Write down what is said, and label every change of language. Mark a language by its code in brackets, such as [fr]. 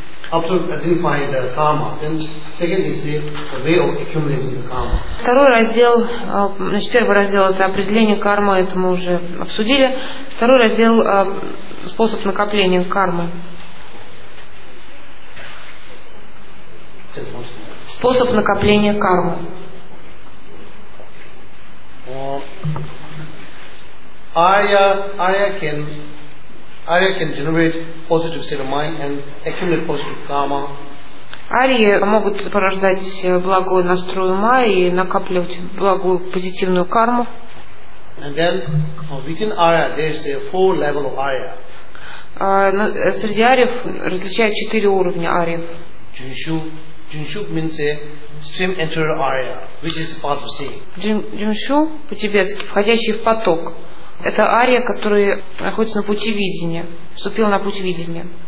[en] After identifying the karma, then second is the way of accumulating the karma. [ru] Второй раздел, значит, первый раздел это определение кармы, это мы уже обсудили. Второй раздел способ накопления кармы. Способ накопления кармы. [en] Ария can generate positive state of mind and accumulate positive karma. [ru] Арии могут порождать благой настрой ума и накапливать благую позитивную карму. [en] And then within Ария there is a four level of Ария. [ru] Среди ариев различают четыре уровня ариев. [en] Джуншу means a stream entering Ария, which is part of sea. [ru] Джуншу по-тибетски входящий в поток. Это ария, которая находится на пути видения, вступила на путь видения.